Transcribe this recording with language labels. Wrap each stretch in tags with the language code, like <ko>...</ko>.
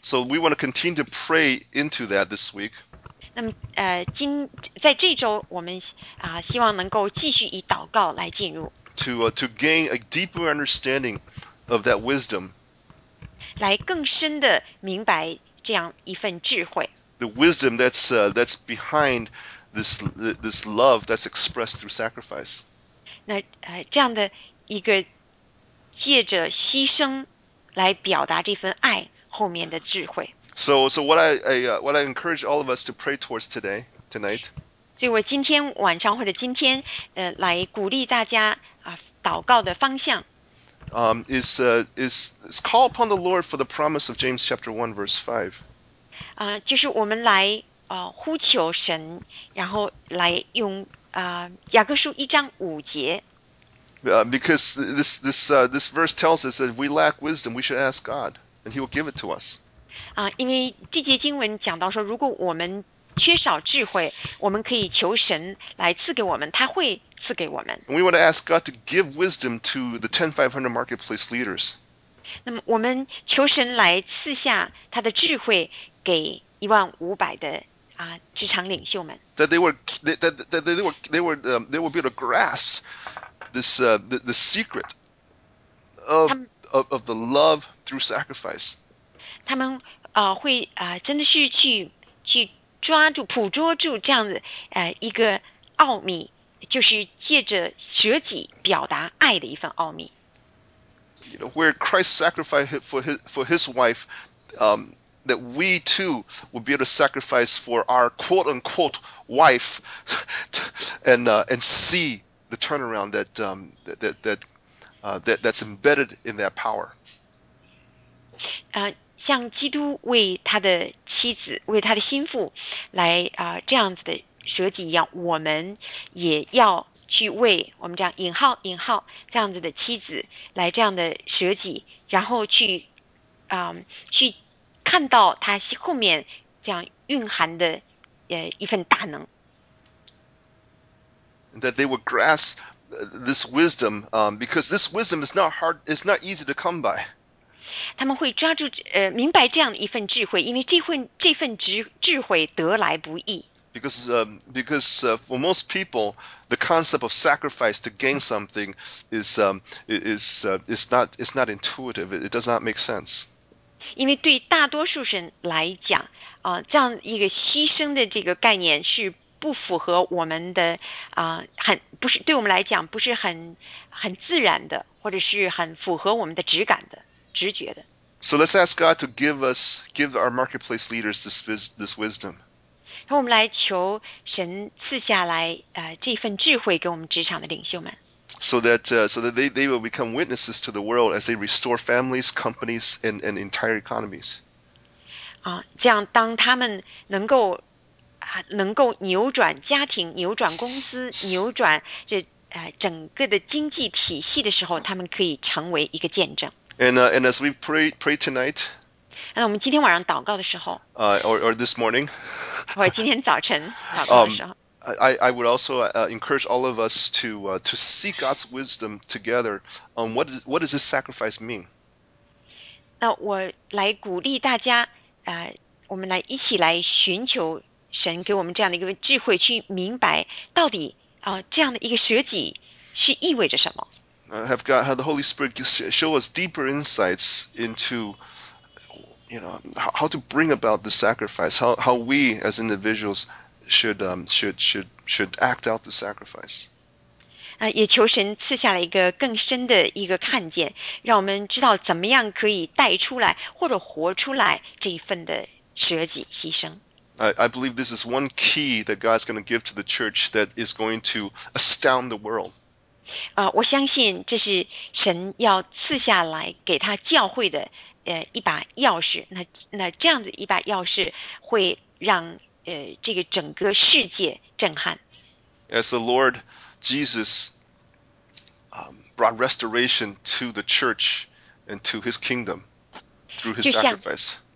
<en>So we want to continue to pray into that this week.</en> <zh>那么在这周我们希望能够继续以祷告来进入。</zh> <en>To gain a deeper understanding of that wisdom.</en> <zh>来更深的明白这样一份智慧。</zh> <en>The wisdom that's behind this love that's expressed through sacrifice.</en> <zh>那这样的一个借着牺牲来表达这份爱后面的智慧。</zh> <en>So what I encourage all of us to pray towards today, tonight.</en> <zh>所以我今天晚上或者今天来鼓励大家祷告的方向。</zh> <en>Is call upon the Lord for the promise of James chapter 1 verse 5.</en> <zh>就是我们来呼求神，然后来用雅各书一章五节。</zh> <en>Because this verse tells us that if we lack wisdom, we should ask God, and He will give it to us.</en> <zh>因为这节经文讲到说，如果我们缺少智慧，我们可以求神来赐给我们，他会赐给我们。</zh> <en>And we want to ask God to give wisdom to the 10,500 marketplace leaders.</en> <zh>那么我们求神来赐下他的智慧给1,500的职场领袖们。</zh> <en>That they would be able to grasp. The secret of the love through sacrifice.</en> <zh>他们会真的是去抓住捕捉住这样子一个奥秘，就是借着舍己表达爱的一份奥秘。</zh> <en>You know, where Christ sacrificed for his wife, that we too would be able to sacrifice for our quote-unquote wife and see the turnaround that's embedded in that power.</en> <zh>像基督为他的妻子为他的心腹来、这样子的舍己一样，我们也要去为我们这样引号引号这样子的妻子来这样的舍己，然后去、去看到他后面这样蕴含的、一份大能。</zh> <en>That they would grasp this wisdom、because this wisdom is not hard, it's not easy to come by.</en> <zh>他们会抓住、明白这样一份智慧，因为这份 智慧得来不易。</zh> <en>Because for most people, the concept of sacrifice to gain something is not intuitive. It does not make sense.</en> <zh>因为对大多数人来讲，这样一个牺牲的这个概念是不符合我们的，不是对我们来讲不是很自然的，或者是很符合我们的直感的直觉的。</zh> <en>So let's ask God to give our marketplace leaders this wisdom.</en> <zh>让我们来求神赐下来、这份智慧给我们职场的领袖们。</zh> <en>So that they will become witnesses to the world as they restore families, companies, and entire economies.</en> <zh>啊，这样当他们能够扭转家庭、扭转公司、扭转这、整个的经济体系的时候，他们可以成为一个见证。</zh> <en>And as we pray tonight.</en> <zh>那我们今天晚上祷告的时候</zh> <en>or this morning</en> <zh>或今天早晨祷告的时候、</zh> <en>I would also、encourage all of us to seek God's wisdom together on what does this sacrifice mean.</en> <zh>那我来鼓励大家、我们来一起来寻求神给我们这样的一个智慧，去明白到底、这样的一个舍己是意味着什么。</zh> <en>Have the Holy Spirit show us deeper insights intoYou know, how to bring about the sacrifice, how we as individuals should act out the sacrifice.</en> <zh>也求神赐下了一个更深的一个看见，让我们知道怎么样可以带出来或者活出来这一份的舍己牺牲。</zh> <en>I believe this is one key that God's going to give to the church that is going to astound the world.</en> <zh>我相信这是神要赐下来给他教会的一把钥匙，那这样子一把钥匙会让这个整个世界震撼。</zh> <en>As the Lord Jesus、brought restoration to the church and to His kingdom through His sacrifice，</en>